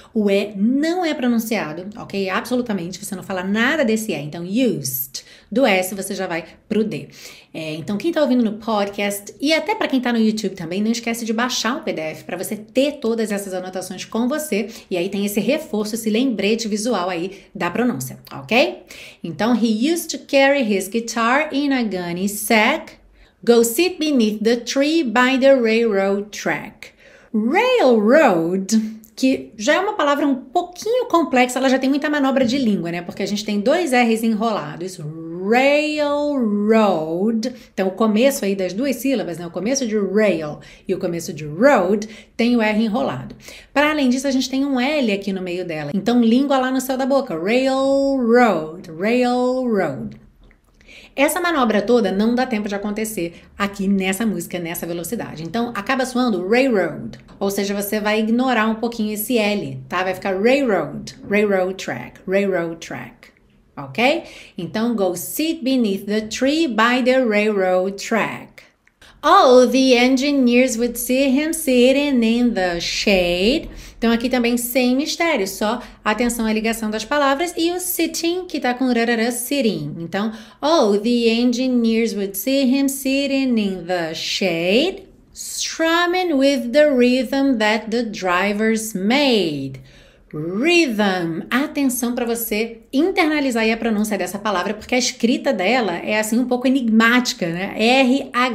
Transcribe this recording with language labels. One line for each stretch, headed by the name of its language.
Portuguese: O E não é pronunciado, ok? Absolutamente, você não fala nada desse E. Então used. Do S você já vai pro D. Então, quem tá ouvindo no podcast e até para quem tá no YouTube também, não esquece de baixar o PDF para você ter todas essas anotações com você. E aí tem esse reforço, esse lembrete visual aí da pronúncia, ok?
English: Então, he used to carry his guitar in a gunny sack. Go sit beneath the tree by the railroad track.
Portuguese: Railroad, que já é uma palavra um pouquinho complexa, ela já tem muita manobra de língua, né? Porque a gente tem dois R's enrolados, railroad. Então, o começo aí das duas sílabas, né? O começo de rail e o começo de road tem o R enrolado. Para além disso, a gente tem um L aqui no meio dela. Então, língua lá no céu da boca. Railroad, railroad. Essa manobra toda não dá tempo de acontecer aqui nessa música, nessa velocidade. Então, acaba soando railroad. Ou seja, você vai ignorar um pouquinho esse L, tá? Vai ficar railroad, railroad track, railroad track. Ok?
English: Então, go sit beneath the tree by the railroad track. Oh, the engineers would see him sitting in the shade.
Portuguese: Então, aqui também sem mistério, só atenção à ligação das palavras e o sitting que tá com rarara, sitting.
English: Então, oh, the engineers would see him sitting in the shade, strumming with the rhythm that the drivers made. Rhythm.
Portuguese: Atenção para você internalizar aí a pronúncia dessa palavra, porque a escrita dela é assim um pouco enigmática, né? Rhythm.